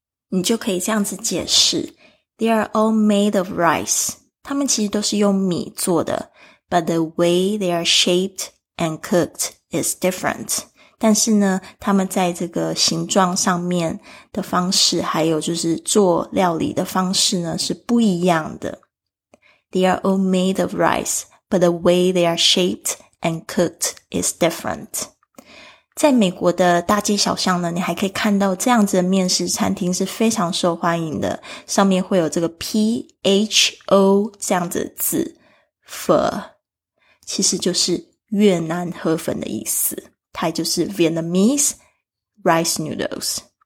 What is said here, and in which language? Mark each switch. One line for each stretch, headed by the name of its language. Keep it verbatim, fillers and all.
Chinese: 你就可以这样子解释
English: They are all made of rice，
Chinese: 它们其实都是用米做的，
English: But the way they are shaped and cooked is different.
Chinese: 但是呢，他们在这个形状上面的方式，还有就是做料理的方式呢，是不一样的。
English: They are all made of rice, but the way they are shaped and cooked is different.
Chinese: 在美国的大街小巷呢，你还可以看到这样子的面食餐厅是非常受欢迎的，上面会有这个 P H O 这样子的字。 Pho 其实就是越南河粉的意思，它就是
English: Vietnamese rice noodles。